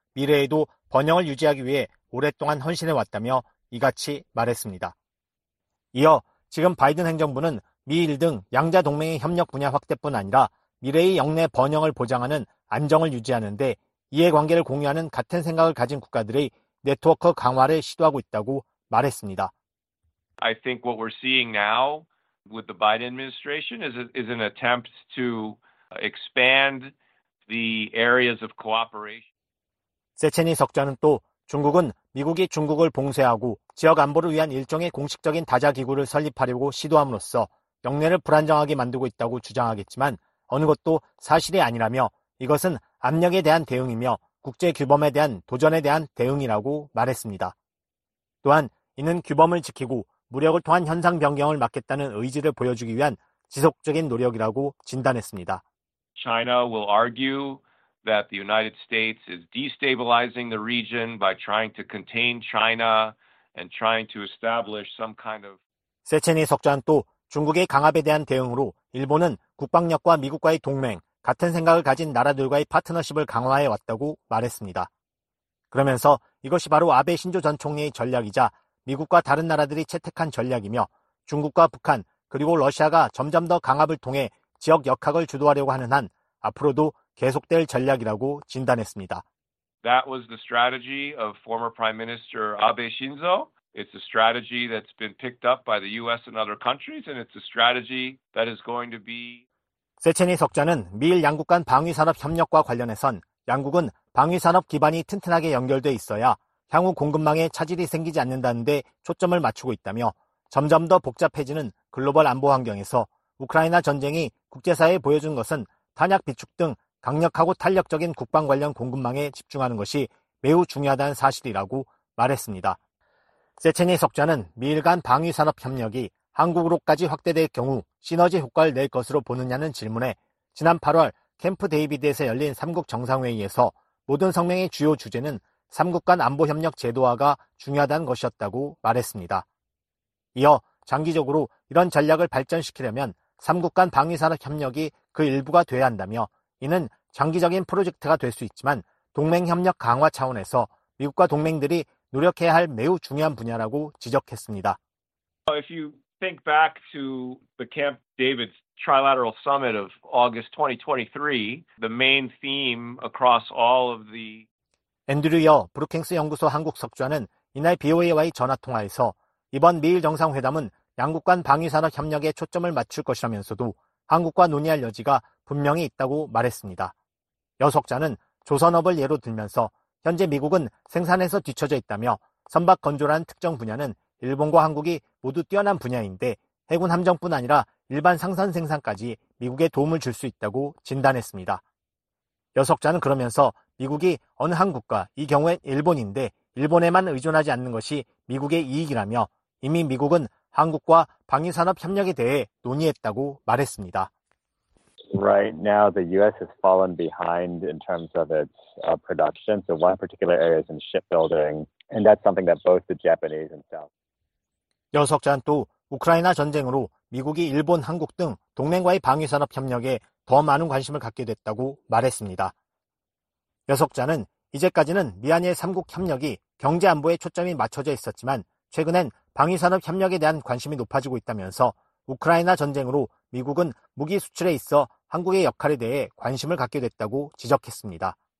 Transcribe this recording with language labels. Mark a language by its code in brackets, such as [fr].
[ko] 미래에도 번영을 유지하기 위해 오랫동안 헌신해왔다며 이같이 말했습니다. 이어 지금 바이든 행정부는 미일 등 양자 동맹의 협력 분야 확대뿐 아니라 미래의 영내 번영을 보장하는 안정을 유지하는데 이해관계를 공유하는 같은 생각을 가진 국가들의 네트워크 강화를 시도하고 있다고 말했습니다. [en] I think what we're seeing now with the Biden administration is an attempt to expand the areas of cooperation. [ko] 세체니 석좌는 또 중국은 미국이 중국을 봉쇄하고 지역 안보를 위한 일종의 공식적인 다자 기구를 설립하려고 시도함으로써 영내를 불안정하게 만들고 있다고 주장하겠지만 어느 것도 사실이 아니라며 이것은 압력에 대한 대응이며 국제 규범에 대한 도전에 대한 대응이라고 말했습니다. 또한 이는 규범을 지키고 무력을 통한 현상 변경을 막겠다는 의지를 보여주기 위한 지속적인 노력이라고 진단했습니다. [en] China will argue that the United States is destabilizing the region by trying to contain China and trying to establish some kind of [ko] 세체니 석좌는 또 중국의 강압에 대한 대응으로 일본은 국방력과 미국과의 동맹, 같은 생각을 가진 나라들과의 파트너십을 강화해 왔다고 말했습니다. 그러면서 이것이 바로 아베 신조 전 총리의 전략이자 미국과 다른 나라들이 채택한 전략이며 중국과 북한 그리고 러시아가 점점 더 강압을 통해 지역 역학을 주도하려고 하는 한 앞으로도 계속될 전략이라고 진단했습니다. [en] That was the strategy of former Prime Minister Abe Shinzo. It's a strategy that's been picked up by the US and other countries and it's a strategy that is going to be [ko] 세체니 석좌는 미일 양국 간 방위산업 협력과 관련해선 양국은 방위산업 기반이 튼튼하게 연결돼 있어야 향후 공급망에 차질이 생기지 않는다는 데 초점을 맞추고 있다며 점점 더 복잡해지는 글로벌 안보 환경에서 우크라이나 전쟁이 국제사회에 보여준 것은 탄약 비축 등 강력하고 탄력적인 국방 관련 공급망에 집중하는 것이 매우 중요하다는 사실이라고 말했습니다. 세체니 석좌는 미일 간 방위산업 협력이 한국으로까지 확대될 경우 시너지 효과를 낼 것으로 보느냐는 질문에 지난 8월 캠프 데이비드에서 열린 3국 정상회의에서 모든 성명의 주요 주제는 3국 간 안보협력 제도화가 중요하다는 것이었다고 말했습니다. 이어 장기적으로 이런 전략을 발전시키려면 3국 간 방위산업 협력이 그 일부가 돼야 한다며 이는 장기적인 프로젝트가 될 수 있지만 동맹협력 강화 차원에서 미국과 동맹들이 노력해야 할 매우 중요한 분야라고 지적했습니다. [en] Think back to the Camp David Trilateral Summit of August 2023. The main theme across all of the [ko] 앤드류 여 브루킹스 연구소 한국 석좌는 이날 BOA와의 전화 통화에서 이번 미일 정상회담은 양국 간 방위산업 협력에 초점을 맞출 것이라면서도 한국과 논의할 여지가 분명히 있다고 말했습니다. 여 석좌는 조선업을 예로 들면서 현재 미국은 생산에서 뒤처져 있다며 선박 건조라는 특정 분야는 일본과 한국이 모두 뛰어난 분야인데 해군 함정뿐 아니라 일반 상선 생산까지 미국에 도움을 줄 수 있다고 진단했습니다. 여 석좌는 그러면서 미국이 어느 한 국가, 이 경우엔 일본인데 일본에만 의존하지 않는 것이 미국의 이익이라며 이미 미국은 한국과 방위산업 협력에 대해 논의했다고 말했습니다. [en] Right now the US has fallen behind in terms of its production. So one particular area is in shipbuilding. And that's something that both the Japanese and South. [ko] 여 석좌는 또 우크라이나 전쟁으로 미국이 일본, 한국 등 동맹과의 방위산업 협력에 더 많은 관심을 갖게 됐다고 말했습니다. 여 석좌는 이제까지는 미한일 3국 협력이 경제 안보에 초점이 맞춰져 있었지만 최근엔 방위산업 협력에 대한 관심이 높아지고 있다면서 우크라이나 전쟁으로 미국은 무기 수출에 있어 한국의 역할에 대해 관심을 갖게 됐다고 지적했습니다.